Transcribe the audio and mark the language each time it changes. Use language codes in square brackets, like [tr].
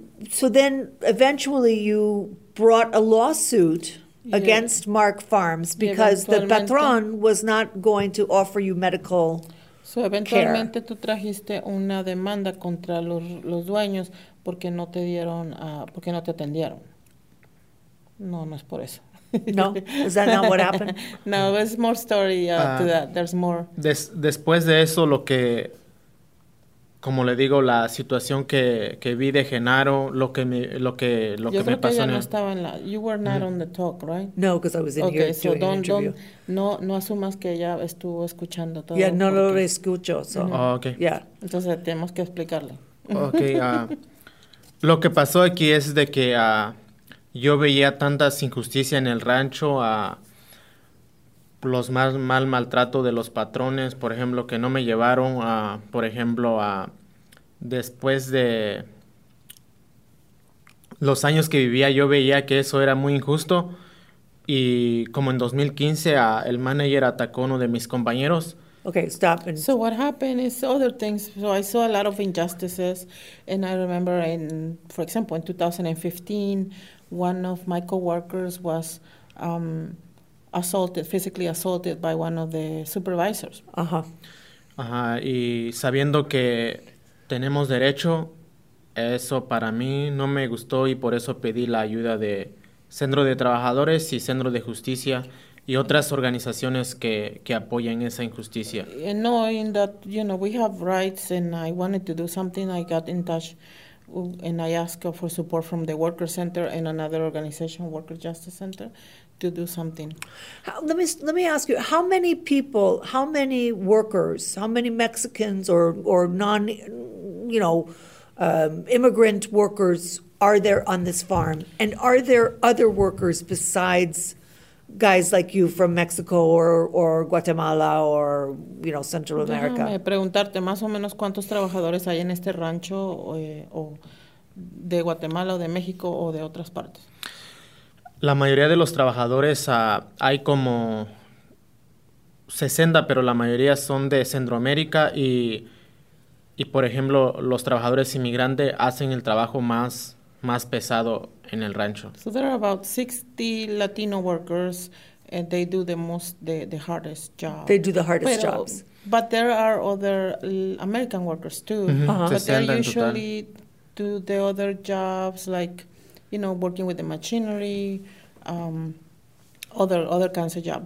[en] So then eventually you brought a lawsuit against Mark Farms because the patron was not going to offer you medical care. [es] So eventualmente tú trajiste una demanda contra los dueños porque no te dieron porque no te atendieron. No es por eso. [en] No, is that not what happened? No, there's more story to that. There's more. [es] Después de eso lo que como le digo, la situación que vi de Genaro, lo que me pasó. Yo creo que ya no estaba en la... [en] You were not on the talk, right? No, because I was in okay, here so doing the interview. [es] No asumas que ella estuvo escuchando todo. Yeah, no porque... lo escucho. So. [en] Oh, okay. Yeah. [es] Entonces, tenemos que explicarle. [en] Ok. [es] lo que pasó aquí es de que yo veía tantas injusticias en el rancho, los más mal maltrato de los patrones, por ejemplo, que no me llevaron a, por ejemplo, a después de los años que vivía, yo veía que eso era muy injusto. Y como en 2015, el manager atacó a uno de mis compañeros. [en] Okay, stop. So what happened is other things. So I saw a lot of injustices. And I remember, for example, in 2015, one of my coworkers was... physically assaulted by one of the supervisors. [es] Y sabiendo que tenemos derecho, eso para mí no me gustó y por eso pedí la ayuda de Centro de Trabajadores y Centro de Justicia y otras organizaciones que apoyan esa injusticia. [en] Knowing that, you know, we have rights and I wanted to do something, I got in touch and I asked for support from the Worker Center and another organization, Worker Justice Center, to do something. Let me ask you, how many workers, how many Mexicans or non, you know, immigrant workers are there on this farm? And are there other workers besides guys like you from Mexico or Guatemala or, you know, Central America? [es] Déjame preguntarte más o menos cuántos trabajadores hay en este rancho o de Guatemala o de México o de otras partes. La mayoría de los trabajadores, hay como 60, pero la mayoría son de Centroamérica y por ejemplo, los trabajadores inmigrantes hacen el trabajo más pesado en el rancho. [en] So there are about 60 Latino workers and they do the hardest job. They do the hardest jobs. But there are other American workers too. Uh-huh. But they usually do the other jobs like, you know, working with the machinery, other kinds of jobs.